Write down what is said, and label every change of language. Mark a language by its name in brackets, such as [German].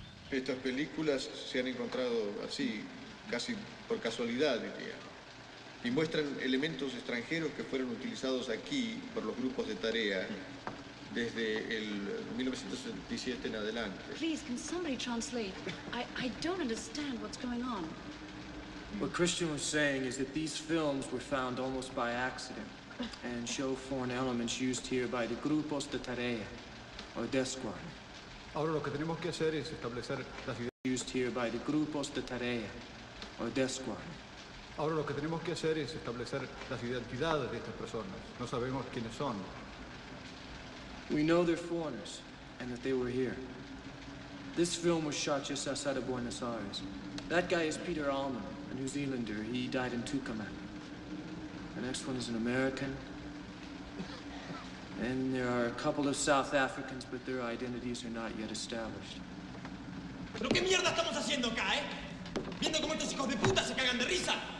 [Spanish] Estas películas se han encontrado así, casi por casualidad, diría. Y muestran elementos extranjeros que fueron utilizados aquí por los grupos de tarea desde el 1977 en adelante. [English] Please, can somebody translate? I don't understand what's going on. What Christian was saying is that these films were found almost by accident and show foreign elements used here by the grupos de tarea, or death squad. [Spanish] Ahora lo que tenemos que hacer es establecer las ideas [English] used here by the grupos de tarea, or death squad. [Spanish] Ahora lo que tenemos que hacer es establecer las identidades de estas personas. No sabemos quiénes son. [English] We know they're foreigners and that they were here. This film was shot just outside of Buenos Aires. That guy is Peter Allman, a New Zealander. He died in Tucumán. The next one is an American. And there are a couple of South Africans, but their identities are not yet established. [Spanish] ¿Pero qué mierda estamos haciendo acá, eh? Viendo cómo estos hijos de puta se cagan de risa.